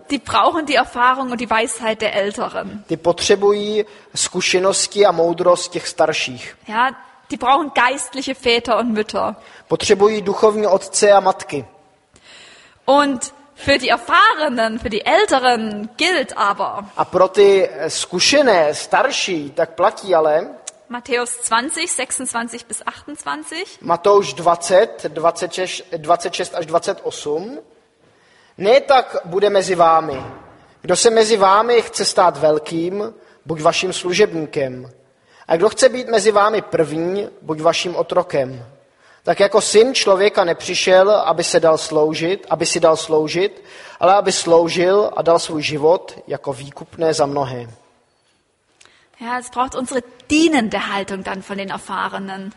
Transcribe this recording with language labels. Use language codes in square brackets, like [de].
[de] Die brauchen die Erfahrung und die Weisheit der Älteren. [cs] Ty potřebují zkušenosti a moudrost těch starších. [de] Ja, die brauchen geistliche Väter und Mütter. [cs] Potřebují duchovní otce a matky. [de] Und für die Erfahrenen, für die Älteren gilt aber. [cs] A pro ty zkušené, starší, tak platí ale. [de] Matthäus 20, 26 bis 28. [cs] Matouš 20, 26 až 28. Ne tak bude mezi vámi. Kdo se mezi vámi chce stát velkým, buď vaším služebníkem. A kdo chce být mezi vámi první, buď vaším otrokem. Tak jako syn člověka nepřišel, aby si dal sloužit, ale aby sloužil a dal svůj život jako výkupné za mnohé. [de] Ja, es braucht unsere dienende Haltung dann von den Erfahrenen.